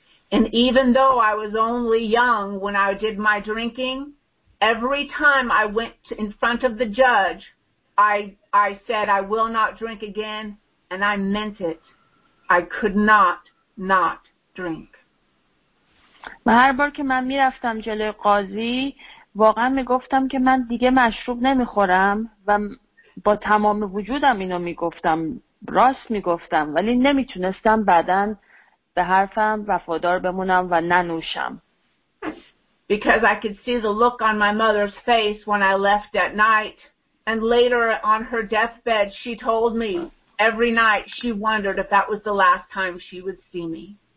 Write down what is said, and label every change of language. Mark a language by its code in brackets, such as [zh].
[en] And even though I was only young when I did my drinking, every time I went in front of the judge, I said I will not drink again and I meant it. I could not drink. [fa] و هر بار که من میرفتم جلوی قاضی واقعا میگفتم که من دیگه مشروب نمیخورم و با تمام وجودم اینو میگفتم، راست میگفتم، ولی نمیتونستم بعدن به حرفم وفادار بمونم و ننوشم. [en] Because I could see the look on my mother's face when I left at night. And later on her deathbed she told me every night she wondered if that was the last time she would see me.